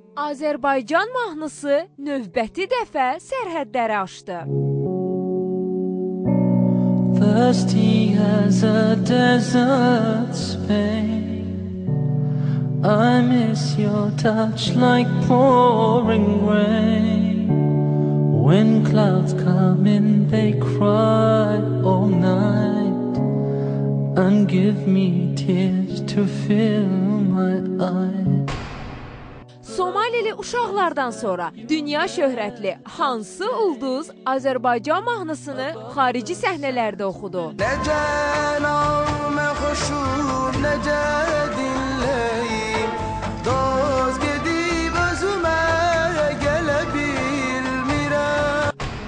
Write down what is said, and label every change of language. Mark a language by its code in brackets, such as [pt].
[az] Azərbaycan mahnısı növbəti dəfə sərhədləri aşdı. [en] Thirsty as a desert Spain, I miss your touch like pouring rain. When clouds come in they cry all night and give me tears to fill my eyes. [az] Somalili uşaqlardan sonra dünya şöhrətli hansı ulduz Azərbaycan mahnısını xarici səhnələrdə oxudu? Necən alım xoşum, necə dinləyim, doz gedib özümə gələ bilmirəm.